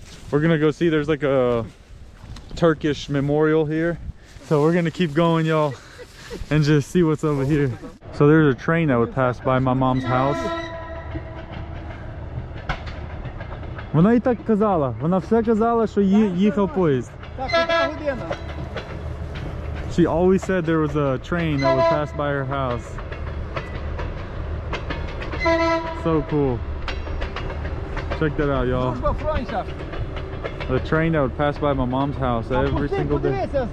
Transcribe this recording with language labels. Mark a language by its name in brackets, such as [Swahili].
[English] We're gonna go see, there's like a Turkish memorial here. So we're gonna keep going, y'all, and just see what's over here. So there's a train that would pass by my mom's house. [Ukrainian] Вона і так казала. Вона все казала, що їхав поїзд. Так, яка година? [English] She always said there was a train that would pass by her house. So cool. Check that out, y'all. The train that would pass by my mom's house every single day.